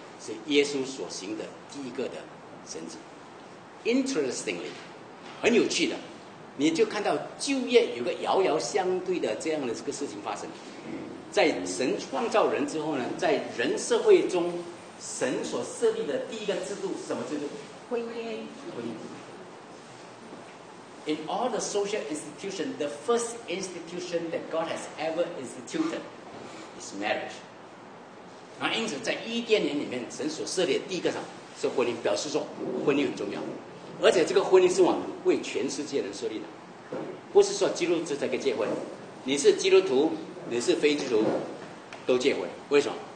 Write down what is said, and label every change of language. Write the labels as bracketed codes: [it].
[zh] 是耶稣所行的第一个的神迹。Interestingly， 很有趣的，你就看到旧约有个遥遥相对的这样的这个事情发生。在神创造人之后呢，在人社会中，神所设立的第一个制度是什么制度？婚姻。婚姻。 [en] In all the social institution, the first institution that God has ever instituted is marriage. [zh] 那因此，在伊甸园里面，神所设立的第一个什么是婚姻，表示说婚姻很重要，而且这个婚姻是我们为全世界人设立的，不是说基督徒才可以结婚，你是基督徒，你是非基督徒都结婚。为什么？